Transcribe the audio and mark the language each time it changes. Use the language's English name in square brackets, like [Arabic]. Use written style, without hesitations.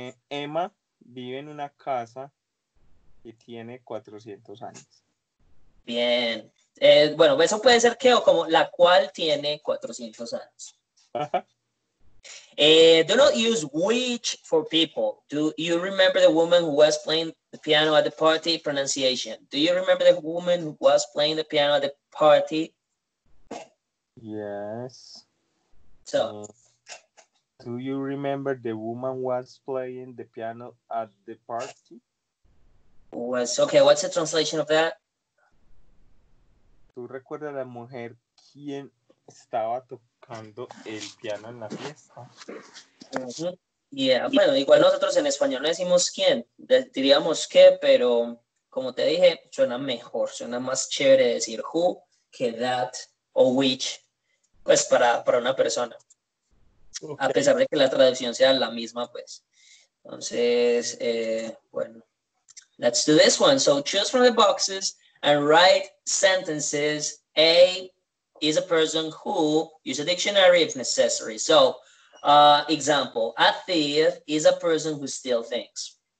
[Spanish] Emma vive en una casa que tiene 400 años. Bien. Bueno, eso puede ser que o como la cual tiene 400 años. [English] Do not use which for people. Do you remember the woman who was playing the piano at the party? Pronunciation. Do you remember the woman who was playing the piano at the party? Yes. So. Do you remember the woman was playing the piano at the party? Was okay, what's the translation of that? [Spanish] ¿Tú recuerdas la mujer quien estaba tocando el piano en la fiesta? Uh-huh. Yeah, bueno, igual nosotros en español no decimos quién, diríamos qué, pero como te dije, suena mejor, suena más chévere decir who que that o which, pues para una persona. Okay. A pesar de que la traducción sea la misma, pues. Entonces, bueno, [English] let's do this one. So choose from the boxes and write sentences. A is a person who, use a dictionary if necessary. So, example, a thief is a person who steals things.